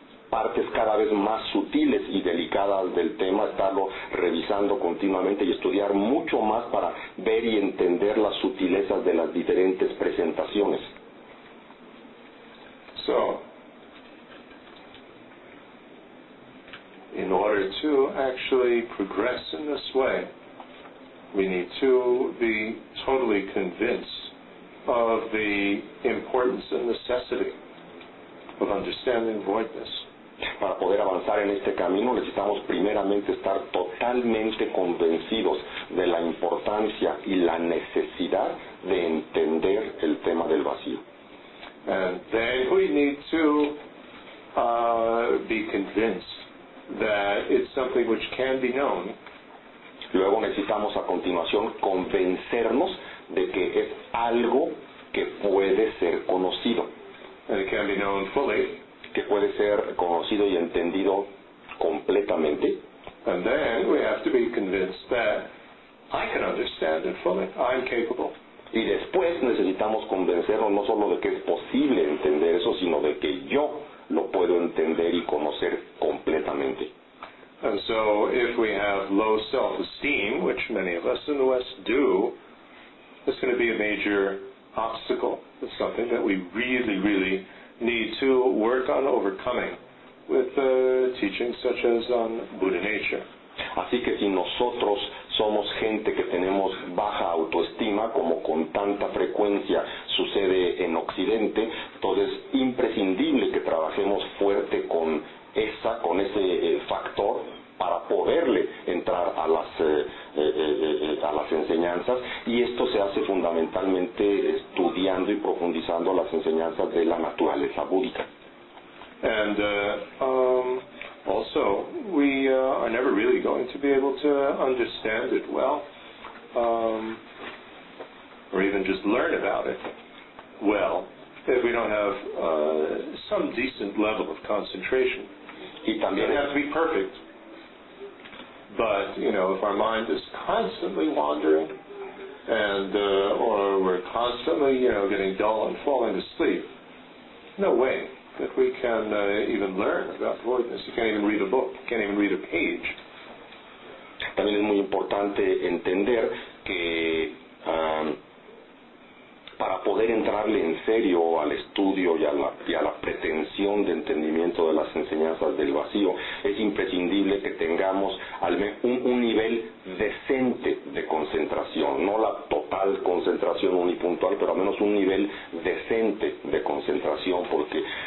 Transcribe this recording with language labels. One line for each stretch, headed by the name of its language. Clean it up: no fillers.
Spanish: partes cada vez más sutiles y delicadas del tema, estarlo revisando continuamente y estudiar mucho más para ver y entender las sutilezas de las diferentes presentaciones.
English: So, in order to actually progress in this way, we need to be totally convinced of the importance and necessity of understanding voidness.
Spanish: Para poder avanzar en este camino necesitamos primeramente estar totalmente convencidos de la importancia y la necesidad de entender el tema del vacío.
English: And then we need to be convinced that it's something which can be known.
Spanish: Luego necesitamos a continuación convencernos de que es algo que puede ser conocido.
English: And it can be known fully.
Spanish: Que puede ser conocido y entendido completamente.
English: And then we have to be convinced that I can understand it fully. I'm capable.
Spanish: Y después necesitamos convencernos no solo de que es posible entender eso, sino de que yo lo puedo entender y conocer completamente.
English: And so if we have low self-esteem, which many of us in the West do, it's going to be a major obstacle. It's something that we really, really need to work on overcoming with teachings such as on Buddha nature.
Spanish: Así que si nosotros somos gente que tenemos baja autoestima, como con tanta frecuencia sucede en Occidente, entonces es imprescindible que trabajemos fuerte con esa, con ese factor para poderle entrar a las enseñanzas, y esto se hace fundamentalmente estudiando y profundizando las enseñanzas de la naturaleza búdica.
English: And also we are never really going to be able to understand it well, or even just learn about it well, if we don't have some decent level of concentration.
Spanish: Y también
English: it has to be perfect. But, you know, if our mind is constantly wandering and or we're constantly, you know, getting dull and falling asleep, no way that we can even learn about voidness. You can't even read a book. You can't even read a page.
Spanish: También es muy importante entender que para poder entrarle en serio al estudio y a la pretensión de entendimiento de las enseñanzas del vacío, es imprescindible que tengamos al menos un nivel decente de concentración, no la total concentración unipuntual, pero al menos un nivel decente de concentración, porque